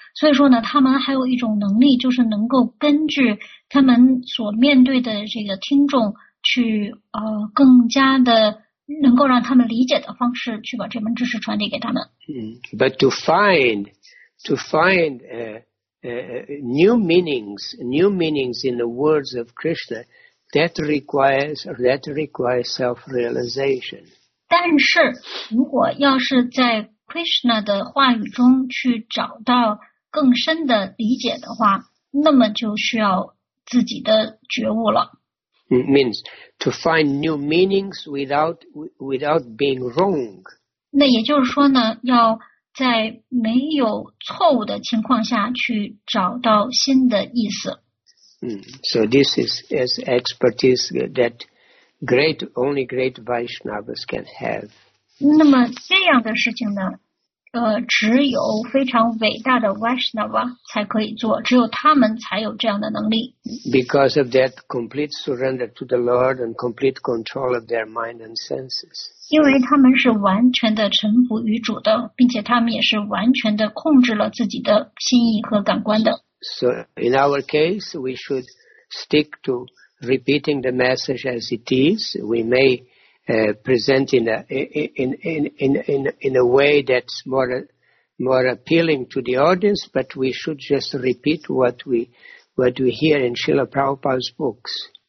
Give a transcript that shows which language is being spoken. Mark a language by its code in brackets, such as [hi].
[zh] 所以说呢，他们还有一种能力，就是能够根据他们所面对的这个听众去更加的能够让他们理解的方式去把这门知识传递给他们。 [en] But to find new meanings in the words of Krishna, that requires self-realization. [zh] 但是如果要是在 Krishna 的话语中去找到更深的理解的话，那么就需要自己的觉悟了。 [en] Means to find new meanings without being wrong. [zh] 那也就是说呢，要在没有错误的情况下去找到新的意思。 [en] So this is expertise that... Great, only great Vaishnavas can have. [zh] 那么这样的事情呢，只有非常伟大的 Vaishnava 才可以做，只有他们才有这样的能力。 [en] Because of that complete surrender to the Lord and complete control of their mind and senses. [zh] 因为他们是完全的臣服于主的，并且他们也是完全的控制了自己的心意和感官的。 [en] So in our case, we should stick to. Repeating the message as it is, we may present in a way that's more appealing to the audience, but we should just repeat what we hear in Srila Prabhupada's books.